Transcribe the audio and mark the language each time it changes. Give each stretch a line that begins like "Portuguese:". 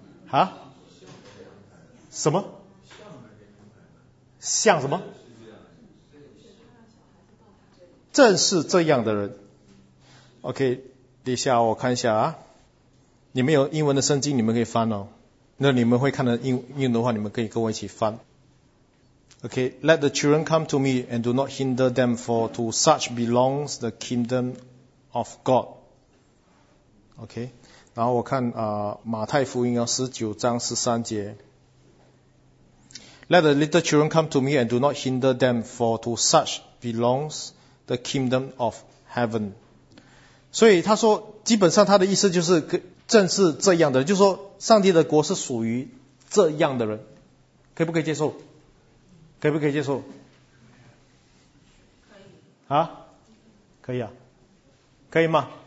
Chinese: 啊？什么？像什么？正是这样的人。 OK， 等一下我看一下啊。你们有英文的圣经，你们可以翻哦。那你们会看的英文的话，你们可以跟我一起翻。
English: Okay, let the children come to me and do not hinder them, for to such belongs the kingdom of God.
Chinese: Okay, 然后我看啊，马太福音19:13。
English: Let the little children come to me and do not hinder them, for to such belongs the kingdom of heaven.
Chinese: 所以他说，基本上他的意思就是正是这样的人，就是说上帝的国是属于这样的人，可以不可以接受？可以不可以接受？可以啊，可以啊，可以吗？